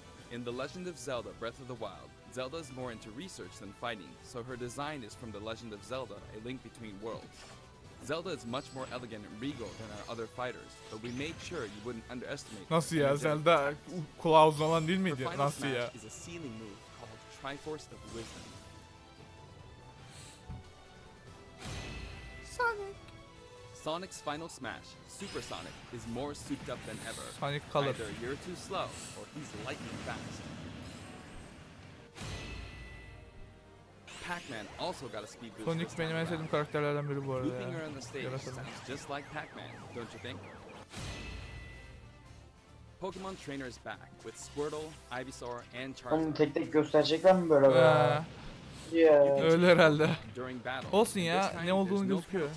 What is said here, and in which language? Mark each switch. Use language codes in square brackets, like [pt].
[en] In The Legend of Zelda Breath of the Wild, Zelda is more into research than fighting, so her design is from The Legend of Zelda, A Link Between Worlds. Zelda is much more elegant and regal than our other fighters, but we made sure you wouldn't underestimate her. [tr] Nasıl ya, Zelda kulağı uzun olan değil miydi? Nasıl ya? [en] Is a ceiling move called Triforce of Wisdom. Sonic's final smash, Super Sonic, is more souped up than ever. Sonic color. Either you're too slow, or he's lightning fast. Pac-Man also got a speed boost. [tr] Sonic benim en sevdiğim karakterlerden biri bu arada. [en] Looping around the stage sounds just like Pac-Man, don't you think? Pokemon trainers back with Squirtle, Ivysaur, and Charizard. [tr] Onu tek tek gösterecekler mi böyle? Yeah. Öyle herhalde. Olsun ya, ne olduğunu gözüküyor.